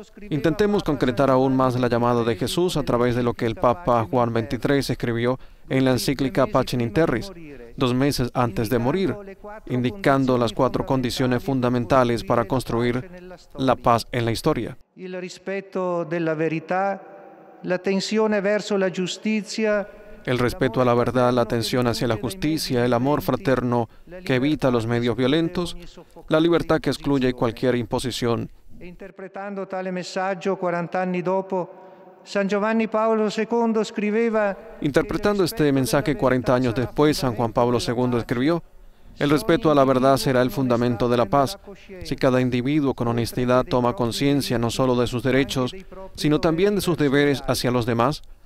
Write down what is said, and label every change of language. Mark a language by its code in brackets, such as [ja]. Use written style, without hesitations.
[es] Intentemos concretar aún más la llamada de Jesús a través de lo que el Papa Juan XXIII escribió en la encíclica Pacem in Terris, dos meses antes de morir, indicando las cuatro condiciones fundamentales para construir la paz en la historia. El respeto de la verdad, la tensión verso la justicia... el respeto a la verdad, la atención hacia la justicia, el amor fraterno que evita los medios violentos, la libertad que excluye cualquier imposición. [it] Interpretando tale messaggio 40 anni dopo, San Giovanni Paolo II scriveva. [es] Interpretando este mensaje 40 años después, San Juan Pablo II escribió: el respeto a la verdad será el fundamento de la paz. Si cada individuo con honestidad toma conciencia no solo de sus derechos, sino también de sus deberes hacia los demás,